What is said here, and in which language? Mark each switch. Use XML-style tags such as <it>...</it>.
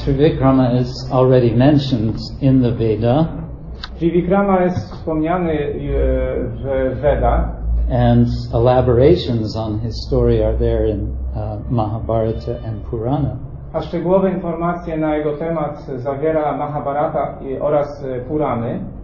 <en>Trivikrama is already mentioned in the Veda.</en> <pl>Trivikrama jest wspomniany w Veda.</pl> <en>And elaborations on his story are there in Mahabharata and Purana.</en> <pl>A szczegółowe informacje na jego temat zawiera Mahabharata oraz Purany.</pl>